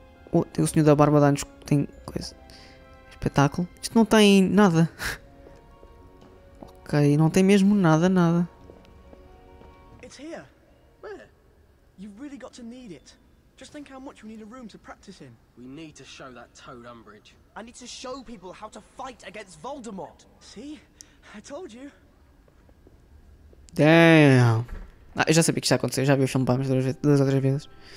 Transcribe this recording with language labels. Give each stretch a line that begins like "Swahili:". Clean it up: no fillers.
Portuguese: Oh, tem o senhor da barba dá-nos. Tem coisa. Espetáculo. Isto não tem nada. Ok, não tem mesmo nada, nada.
English: It's here. Where? You've really got to need it. Just think how much we need a room to practice in. We need to show that toad Umbridge. I need to show people how to fight against Voldemort. See? I told you. Damn!
Portuguese: Ah, eu já sabia que isto ia acontecer, já vi o filme para mais duas ou três vezes.